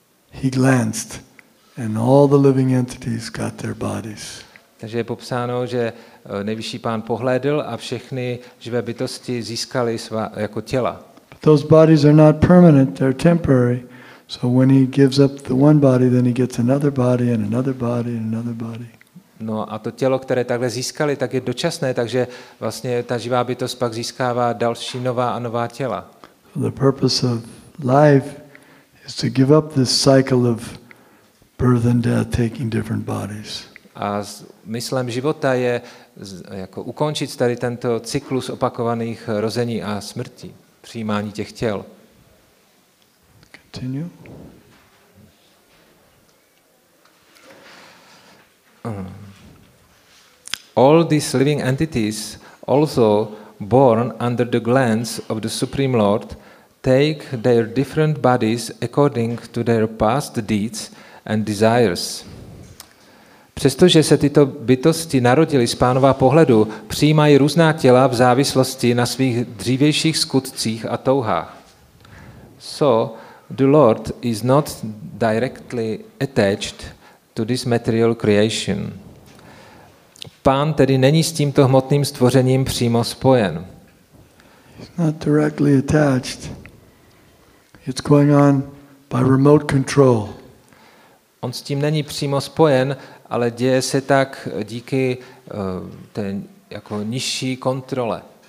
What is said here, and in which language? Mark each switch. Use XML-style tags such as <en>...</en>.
<en>He glanced, and all the living entities got their bodies.</en> <cs>Takže je popsáno, že nejvyšší pán pohlédl a všechny živé bytosti získaly svá jako těla.</cs> <en>But those bodies are not permanent; they're temporary. So when he gives up the one body, then he gets another body and another body and another body.</en> <cs>No a to tělo, které takhle získali, tak je dočasné, takže vlastně ta živá bytost pak získává další nová a nová těla.</cs> <en>The purpose of life is to give up this cycle of birth and death, taking different bodies.</en> <cs>A smyslem života je jako ukončit tady tento cyklus opakovaných rození a smrti, přijímání těch těl.</cs> <en>Continue. All these living entities, also born under the glance of the Supreme Lord, take their different bodies according to their past deeds and desires.</en> <cs>Přestože se tyto bytosti narodily z pánova pohledu, přijímají různá těla v závislosti na svých dřívějších skutcích a touhách.</cs> <en>So, the Lord is not directly attached to this material creation.</en> <cs>Pán tedy není s tímto hmotným stvořením přímo spojen.</cs> <en>He's not directly attached. It's going on by remote control.</en> <cs>On s tím není přímo spojen, ale děje se tak díky té jako nižší kontrole.</cs>